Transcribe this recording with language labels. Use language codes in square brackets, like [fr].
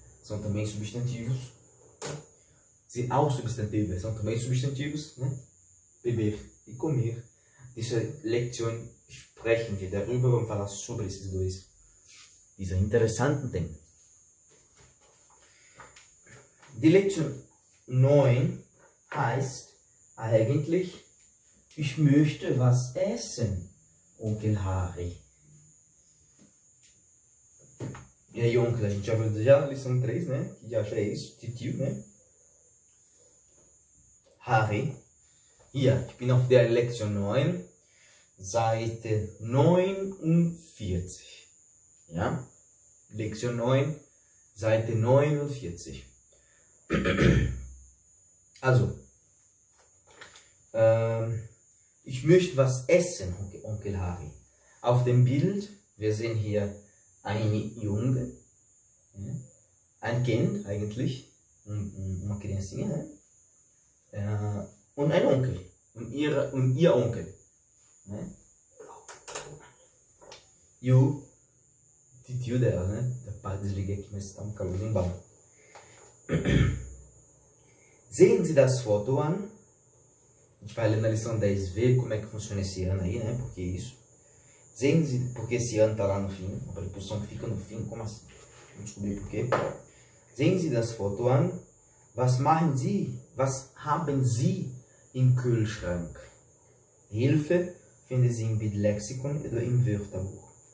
[pt] São também substantivos. [de] Sind auch Substantive. [pt] São também substantivos, né? Beber e comer. Nessa leção, [de] sprechen wir darüber, [pt] vamos falar sobre esses dois, esses interessantes temas. [de] Die Lektion 9 heißt eigentlich: Ich möchte was essen, Onkel Harry. [pt] E aí, Onkel, a gente já viu já a lição 3, né? Que já é isso, titio, né? Harry. [de] Ja, ich bin auf der Lektion 9, Seite 49. Ja? Lektion 9, Seite 49. Also, ich möchte was essen, Onkel Harry. Auf dem Bild, wir sehen hier eine Junge, ein Kind eigentlich, [pt] uma criancinha, né? [de] Und ein Onkel, und ihr Onkel. [pt] Né? E o tio dela, né? Pá, desliguei aqui, mas tá um calor limbal. [de] Sehen Sie das Foto an? [pt] A gente vai ler na lição 10, ver como é que funciona esse ano aí, né? Porque isso. Sehen Sie, porque esse ano tá lá no fim, a preposição que fica no fim, como assim? Vamos descobrir por quê. [de] Sehen Sie das Foto an? Was machen Sie? Was haben Sie im Kühlschrank? Hilfe finden Sie im Bildlexikon oder im Wörterbuch.